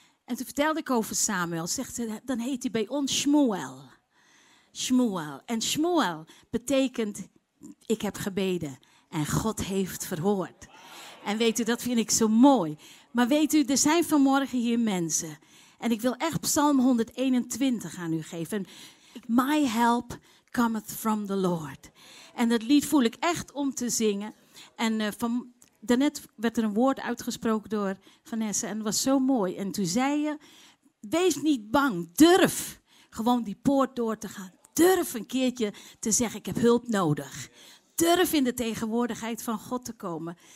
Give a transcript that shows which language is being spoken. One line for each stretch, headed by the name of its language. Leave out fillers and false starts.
Dutch: En toen vertelde ik over Samuel. Zegt ze, dan heet hij bij ons Shmuel. Shmuel. En Shmuel betekent, ik heb gebeden. En God heeft verhoord. En weet u, dat vind ik zo mooi. Maar weet u, er zijn vanmorgen hier mensen. En ik wil echt Psalm 121 aan u geven.
English: My help cometh from the Lord.
Dutch: En dat lied voel ik echt om te zingen. En daarnet werd er een woord uitgesproken door Vanessa. En het was zo mooi. En toen zei je, wees niet bang. Durf gewoon die poort door te gaan. Durf een keertje te zeggen, ik heb hulp nodig. Durf in de tegenwoordigheid van God te komen.